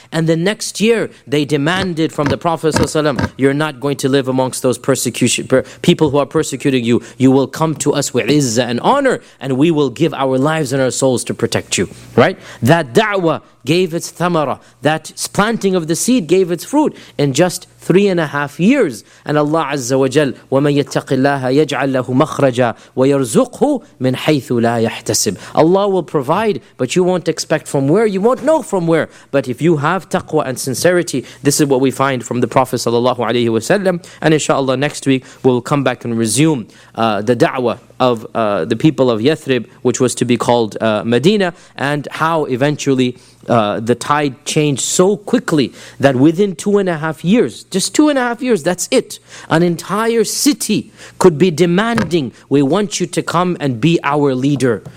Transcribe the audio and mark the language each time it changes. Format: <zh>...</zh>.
<en>And the next year, they demanded from the Prophet ﷺ, you're not going to live amongst those people who are persecuting you. You will come to us with izzah and honor, and we will give our lives and our souls to protect you. Right? That da'wah gave its thamara. That planting of the seed gave its fruit in just 3.5 years.</en> <ar>And Allah Azza wa Jal, وَمَن يَتَّقِ اللَّهَ يَجْعَلْ لَهُ مَخْرَجًا وَيَرْزُقْهُ مِنْ حَيْثُ لَا يَحْتَسِبُ.</ar> <en>Allah will provide, but you won't expect from where, you won't know from where. But if you have taqwa and sincerity, this is what we find from the Prophet sallallahu alayhi wa sallam. And inshallah, next week we'll come back and resume the da'wah of the people of Yathrib, which was to be called Medina, and how eventually the tide changed so quickly that within 2.5 years, just 2.5 years, that's it, an entire city could be demanding, we want you to come and be our leader.</en>